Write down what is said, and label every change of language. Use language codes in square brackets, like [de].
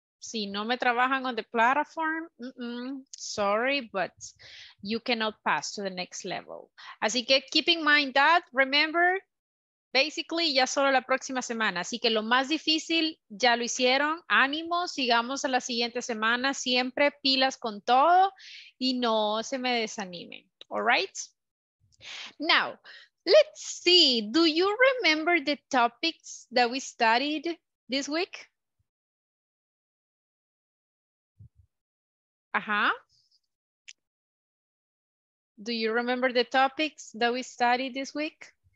[es] Si no me trabajan [en] on the platform, sorry, but you cannot pass to the next level. [es] Así que [en] keep in mind that, remember, basically, [es] ya solo la próxima semana. Así que lo más difícil ya lo hicieron. Ánimo, sigamos a la siguiente semana. Siempre pilas con todo y no se me desanimen. [en] All right? Now, let's see. Do you remember the topics that we studied this week? Do you remember the topics that we studied this week?